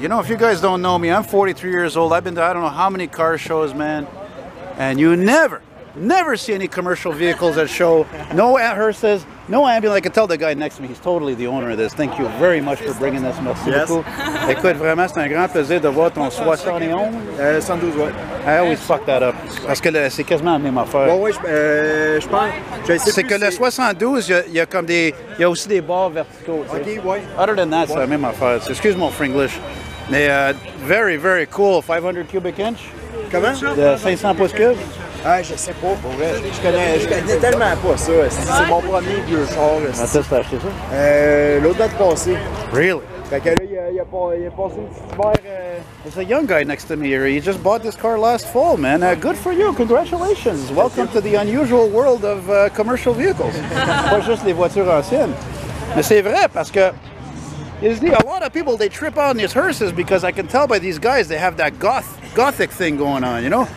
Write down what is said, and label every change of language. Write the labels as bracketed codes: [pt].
[en] You know, if you guys don't know me, I'm 43 years old. I've been to I don't know how many car shows, man. And you never, never see any commercial vehicles at show. No hearses, no ambulance. I can tell the guy next to me, he's totally the owner of this. Thank you very much for bringing this. [fr] Merci beaucoup. Écoute, vraiment, c'est un grand plaisir de voir ton 71. 112, ouais. [en] I always fuck that up. [fr] Parce que c'est quasiment la même affaire. Ouais, ouais, je pense. Je sais c'est que le 72, il y a comme des. Il y a aussi des bords verticaux. OK, ouais. [en] Other than that, [fr] c'est la même affaire. Excuse mon franglish. Mais [en] very, very cool. 500 cubic inch. [fr] Comment? De 500 pouces cubes. Ah, je sais pas. Pour vrai. Je connais tellement pas ça. C'est mon premier vieux char. Quand est-ce que t'as acheté ça? L'autre date passée. [en] Really? [fr] Fait que là, il a passé une petite hiver. [en] There's a young guy next to me here. He just bought this car last fall, man. Good for you. Congratulations. Welcome to the unusual world of commercial vehicles. [fr] Pas juste les voitures anciennes. Mais c'est vrai parce que... [en] A lot of people, they trip on these hearses because I can tell by these guys, they have that gothic thing going on, you know?